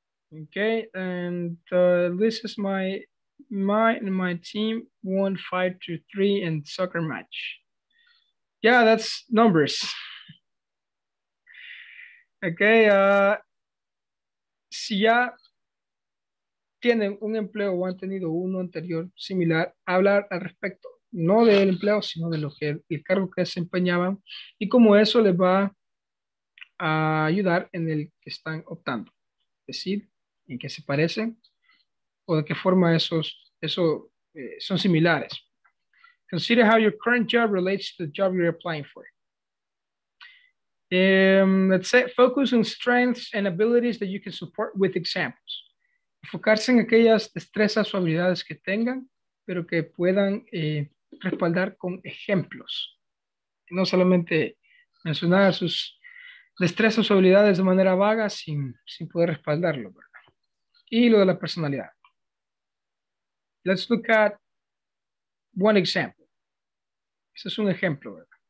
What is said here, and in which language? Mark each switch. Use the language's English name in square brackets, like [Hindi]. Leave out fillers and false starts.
[English] Okay, and this is my and my team won 5-3 in soccer match. Yeah, that's numbers. [Spanish] Okay, si ya tienen un empleo o han tenido uno anterior similar, hablar al respecto, no del empleo, sino de lo que el cargo que desempeñaban y cómo eso les va a ayudar en el que están optando. Es decir, en qué se parecen o de qué forma esos son similares. [English] Consider how your current job relates to the job you're applying for. Let's say focus on strengths and abilities that you can support with examples. [Spanish] Enfocarse en aquellas destrezas o habilidades que tengan, pero que puedan respaldar con ejemplos. No solamente mencionar sus destrezas o habilidades de manera vaga sin poder respaldarlo, ¿verdad? Y lo de la personalidad. [English] Let's look at one example. [Spanish] Ese es un ejemplo, ¿verdad?